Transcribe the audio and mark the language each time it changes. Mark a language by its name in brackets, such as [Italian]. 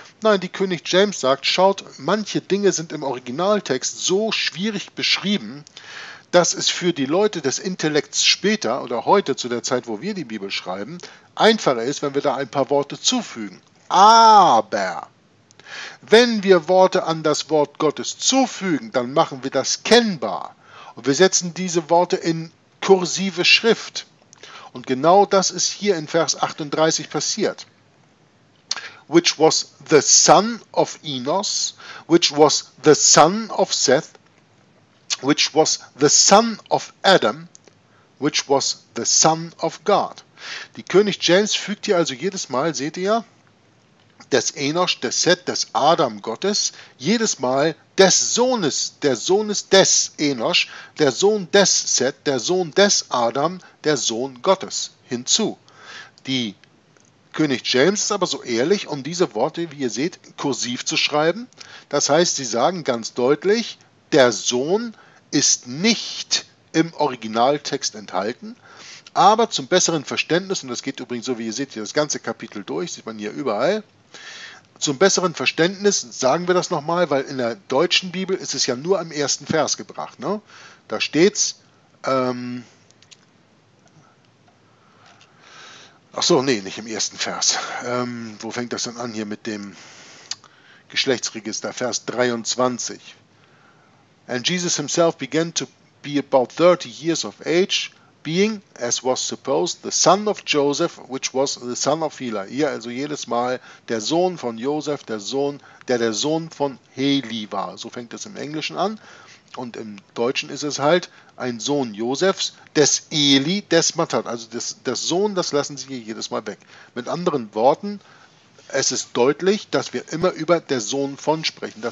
[German] Nein, die König James sagt, schaut, manche Dinge sind im Originaltext so schwierig beschrieben, dass es für die Leute des Intellekts später oder heute, zu der Zeit, wo wir die Bibel schreiben, einfacher ist, wenn wir da ein paar Worte zufügen. Aber wenn wir Worte an das Wort Gottes zufügen, dann machen wir das kennbar. Und wir setzen diese Worte in kursive Schrift. Und genau das ist hier in Vers 38 passiert. [English] Which was the son of Enos, which was the son of Seth, which was the son of Adam, which was the son of God. [German] Die König James fügt hier also jedes Mal, seht ihr, des Enosch, des Seth, des Adam Gottes, jedes Mal des Sohnes, der Sohnes des Enosch, der Sohn des Seth, der Sohn des Adam, der Sohn Gottes hinzu. Die König James ist aber so ehrlich, um diese Worte, wie ihr seht, kursiv zu schreiben. Das heißt, sie sagen ganz deutlich, der Sohn ist nicht im Originaltext enthalten, aber zum besseren Verständnis, und das geht übrigens so, wie ihr seht, hier das ganze Kapitel durch, sieht man hier überall, zum besseren Verständnis sagen wir das nochmal, weil in der deutschen Bibel ist es ja nur am ersten Vers gebracht. Ne? Da steht es, nicht im ersten Vers. Wo fängt das denn an hier mit dem Geschlechtsregister? Vers 23. [English] And Jesus himself began to be about 30 years of age, being, as was supposed, the son of Joseph, which was the son of Heli. [German] Hier also jedes Mal der Sohn von Joseph, der Sohn von Heli war. So fängt es im Englischen an. Und im Deutschen ist es halt ein Sohn Josefs, des Eli, des Matat. Also das Sohn, das lassen sie hier jedes Mal weg. Mit anderen Worten, es ist deutlich, dass wir immer über der Sohn von sprechen.